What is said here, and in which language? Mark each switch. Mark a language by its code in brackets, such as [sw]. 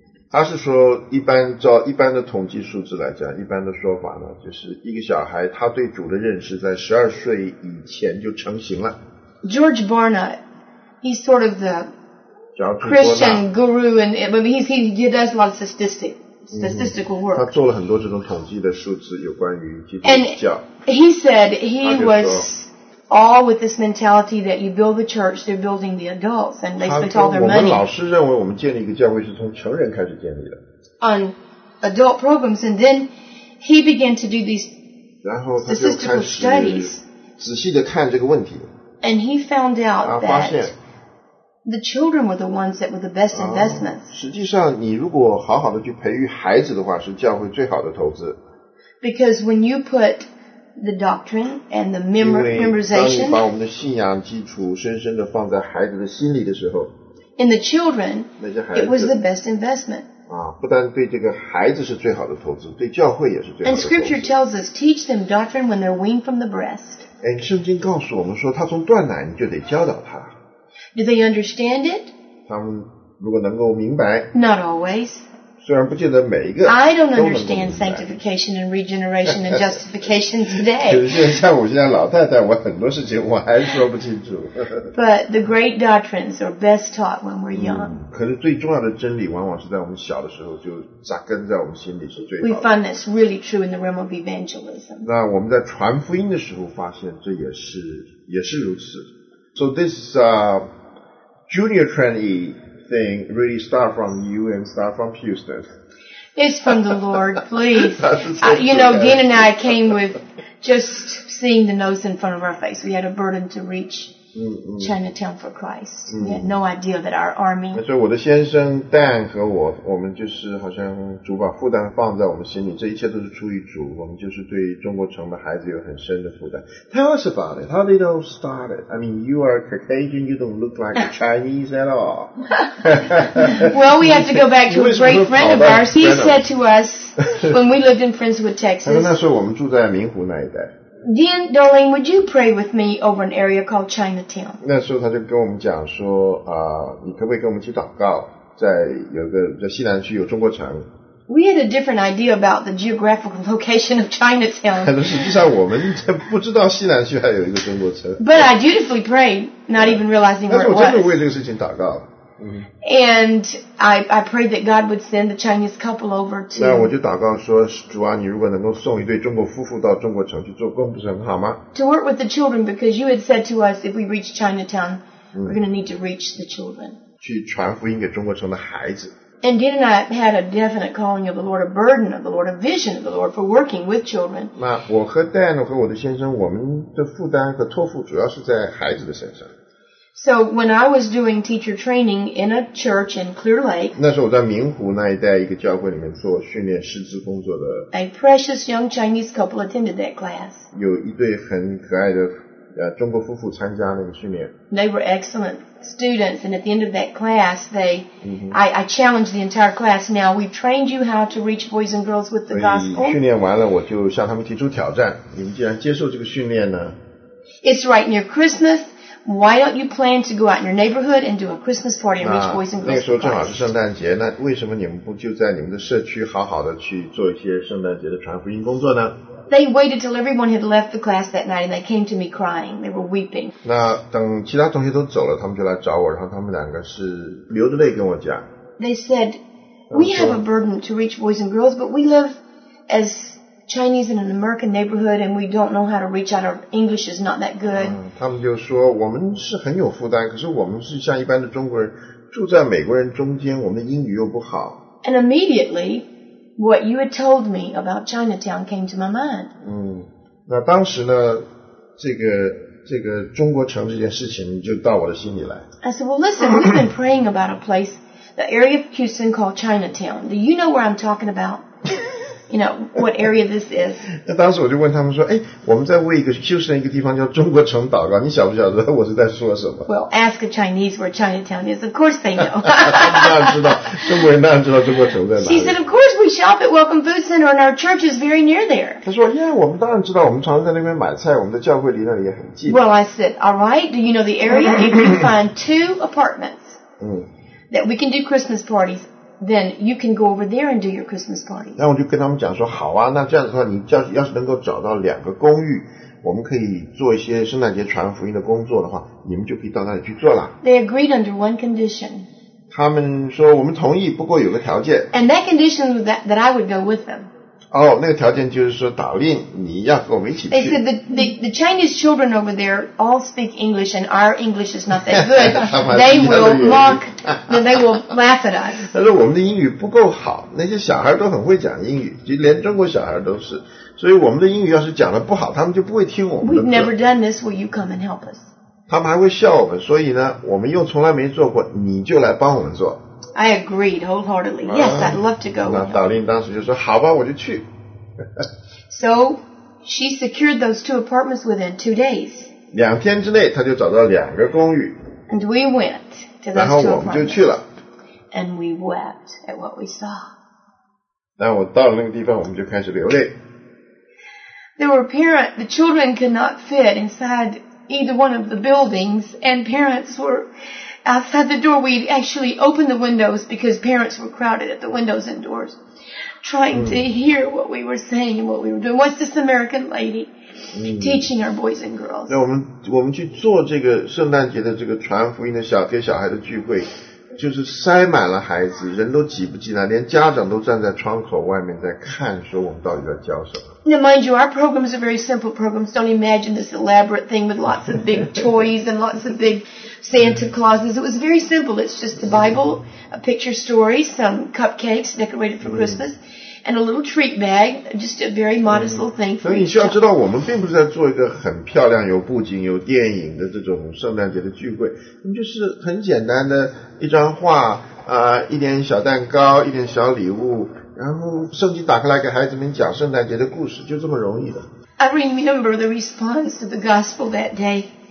[zh] 他是说一般照一般的统计数字来讲，一般的说法呢，就是一个小孩他对主的认识在12岁以前就成型了。 [en] George Barna, he's sort of the Christian guru, and he does a lot of statistical work. [zh] 他做了很多这种统计的数字，有关于基督教。 [en] And he said he was all with this mentality that you build the church, they're building the adults, and they spent all their money. [zh] 我们老师认为我们建立一个教会是从成人开始建立的。 [en] On adult programs, and then he began to do these statistical studies. [zh] 仔细地看这个问题。 [en] And he found out that the children were the ones that were the best investments. [zh] 实际上你如果好好地去培育孩子的话，是教会最好的投资。 [en] Because when you put... The doctrine and the memorization. [zh] 当你把我们的信仰基础深深地放在孩子的心里的时候 [en] ，in the children, [zh] 那些孩子 [en] it was the best investment. [zh] 不单对这个孩子是最好的投资，对教会也是最好的投资。 [en] And Scripture tells us, teach them doctrine when they're weaned from the breast. [zh] 哎，圣经告诉我们说，他从断奶你就得教导他。 [en] Do they understand it? [zh] 他们如果能够明白 [en] ，not always. [zh] 虽然不见得每一个都能明白。 [en] I don't understand sanctification and regeneration and justification today. [zh] 可是像我现在老太太，我很多事情我还说不清楚。 [en] But the great doctrines are best taught when we're young. [zh] 可是最重要的真理往往是在我们小的时候就扎根在我们心里是最好的。 [en] We find this really true in the realm of evangelism. [zh] 那我们在传福音的时候发现这也是如此。 [en] So this junior trainee thing really start from you and start from Houston. It's from the Lord, please. you know, Dean and I came with just seeing the nose in front of our face. We had a burden to reach Chinatown for Christ. We had no idea that our army. [zh] 所以我的先生 Dan 和我们就是好像主把负担放在我们心里，这一切都是出于主。我们就是对中国城的孩子有很深的负担。 [en] Tell us about it. How did it all start? I mean, you are Caucasian. You don't look like Chinese at all. Well, we have to go back to a great friend of ours. He said to us when we lived in Friendswood, Texas. [zh] 他说那时候我们住在明湖那一带。 [en] Dean, darling, would you pray with me over an area called Chinatown? [zh] 那时候他就跟我们讲说，你可不可以跟我们一起祷告，在西南区有中国城。 [en] We had a different idea about the geographical location of Chinatown. [zh] 但实际上我们不知道西南区还有一个中国城。 [en] But I dutifully prayed, not even realizing where it was. [zh] 但是我真的为这个事情祷告。 [en] And I prayed that God would send the Chinese couple over to. [zh] 那我就祷告说，主啊，你如果能够送一对中国夫妇到中国城去做工，不是很好吗 [en] ？To work with the children, because you had said to us, if we reach Chinatown, we're going to need to reach the children. [zh] 去传福音给中国城的孩子。 [en] And Dean and I had a definite calling of the Lord, a burden of the Lord, a vision of the Lord for working with children. [zh] 那我和 Dan 和我的先生，我们的负担和托付主要是在孩子的身上。 [en] So when I was doing teacher training in a church in Clear Lake, [zh] 那时候我在明湖那一带一个教会里面做训练师资工作的。 [en] A precious young Chinese couple attended that class. [zh] 有一对很可爱的中国夫妇参加那个训练。 [en] They were excellent students, and at the end of that class, I challenged the entire class. Now we've trained you how to reach boys and girls with the gospel. [zh] 训练完了，我就向他们提出挑战。你们既然接受这个训练呢 [en] ？It's right near Christmas. Why don't you plan to go out in your neighborhood and do a Christmas party and reach boys and girls? [zh] 那个时候正好是圣诞节，那为什么你们不就在你们的社区好好的去做一些圣诞节的传福音工作呢 [en] ？They waited till everyone had left the class that night, and they came to me crying. They were weeping. [zh] 那等其他同学都走了，他们就来找我，然后他们两个是流着泪跟我讲。 [en] They said, "We have a burden to reach boys and girls, but we live as." Chinese in an American neighborhood, and we don't know how to reach out. Our English is not that good. [zh] 他们就说我们是很有负担，可是我们是像一般的中国人，住在美国人中间，我们的英语又不好。 [en] And immediately, what you had told me about Chinatown came to my mind. [zh] 那当时呢，这个中国城这件事情就到我的心里来。 [en] I said, "Well, listen, we've been praying about a place, the area of Houston called Chinatown. Do you know where I'm talking about?" You know what area this is. [zh] 那当时我就问他们说，哎，我们在为一个休斯顿一个地方叫中国城祷告，你晓不晓得我是在说什么 [en] ？Well, ask a Chinese where Chinatown is. Of course they know. [zh] 当然知道，中国人当然知道中国城在哪里。 [en] She said, "Of course we shop at Welcome Food Center, and our church is very near there." [zh] 他说 ，Yeah, 我们当然知道，我们常常在那边买菜，我们的教会离那里也很近。 [en] Well, I said, "All right, do you know the area? If you find two apartments, that we can do Christmas parties." Then you can go over there and do your Christmas party. [zh] 那我就跟他们讲说，好啊，那这样子的话，你要是能够找到两个公寓，我们可以做一些圣诞节传福音的工作的话，你们就可以到那里去做了。 [en] They agreed under one condition. [zh] 他们说我们同意，不过有个条件。 [en] And that condition was that I would go with them. [zh] 哦，那个条件就是说，导令你要和我们一起去。 [en] They said the Chinese children over there all speak English, and our English is not that good. They will mock. They will laugh at us. [zh] 他说我们的英语不够好，那些小孩都很会讲英语，就连中国小孩都是。所以我们的英语要是讲的不好，他们就不会听我们的。 [en] We've never done this. Will you come and help us? [zh] 他们还会笑我们，所以呢，我们又从来没做过，你就来帮我们做。 [en] I agreed wholeheartedly. Yes, I'd love to go. [zh] 那导令当时就说：“好吧，我就去。 [en] ”So she secured those two apartments within 2 days. [zh] 两天之内，她就找到两个公寓。 [en] And we went to those two apartments. [zh] 然后我们就去了。 [en] And we wept at what we saw. [zh] 那我到了那个地方，我们就开始流泪。 [en] There were parents. The children could not fit inside either one of the buildings, and parents were. outside the door. We actually opened the windows because parents were crowded at the windows and doors, trying to hear what we were saying and what we were doing. What's this American lady teaching our boys and girls? [zh] 我们去做这个圣诞节的这个传福音的小给小孩的聚会，就是塞满了孩子，人都挤不进来，连家长都站在窗口外面在看，说我们到底在教什么。 [en] Now mind you, our programs are very simple programs. Don't imagine this elaborate thing with lots of big toys and lots of big Santa Clauses. It was very simple. It's just the Bible, a picture story, some cupcakes decorated for Christmas, and a little treat bag, just a very modest little thing. [zh] 所以你需要知道，我们并不是在做一个很漂亮、有布景、有电影的这种圣诞节的聚会，我们就是很简单的一张画，一点小蛋糕，一点小礼物。然后圣经打开来给孩子们讲圣诞节的故事，就这么容易的。 [en] I remember the response to the gospel that day.